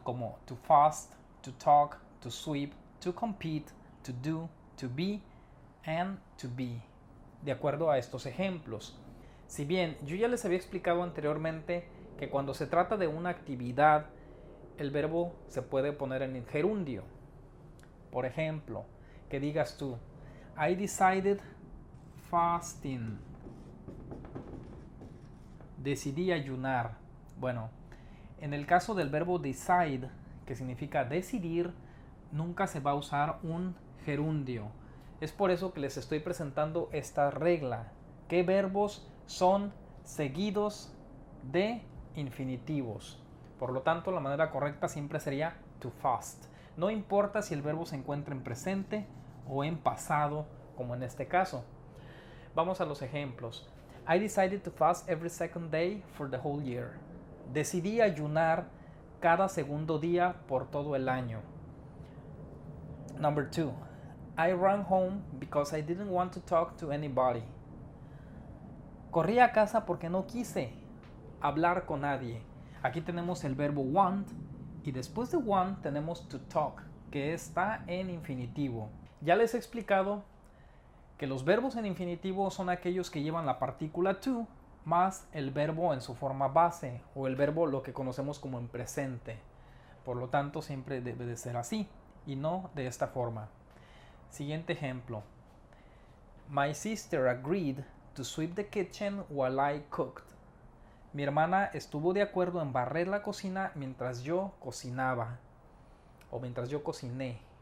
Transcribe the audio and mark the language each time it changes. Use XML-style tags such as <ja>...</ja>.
<es>Como</es> <en>to fast, to talk, to sweep, to compete, to do, to be, and to be.</en> <es>De acuerdo a estos ejemplos. Si bien yo ya les había explicado anteriormente que cuando se trata de una actividad, el verbo se puede poner en gerundio. Por ejemplo, que digas tú,</es> <en>I decided fasting.</en> <es>Decidí ayunar. Bueno, en el caso del verbo decide, que significa decidir, nunca se va a usar un gerundio. Es por eso que les estoy presentando esta regla. ¿Qué verbos son seguidos de infinitivos? Por lo tanto, la manera correcta siempre sería to fast. No importa si el verbo se encuentra en presente o en pasado, como en este caso. Vamos a los ejemplos.</es> <en>I decided to fast every second day for the whole year.</en> <es>Decidí ayunar cada segundo día por todo el año.</es> <en>Number two. I ran home because I didn't want to talk to anybody.</en> <es>Corrí a casa porque no quise hablar con nadie. Aquí tenemos el verbo want y después de want tenemos to talk, que está en infinitivo. Ya les he explicado que los verbos en infinitivo son aquellos que llevan la partícula to más el verbo en su forma base, o el verbo lo que conocemos como en presente. Por lo tanto, siempre debe de ser así y no de esta forma. Siguiente ejemplo.</es> <en>My sister agreed to sweep the kitchen while I cooked.</en> <es>Mi hermana estuvo de acuerdo en barrer la cocina mientras yo cocinaba, o mientras yo cociné.</es>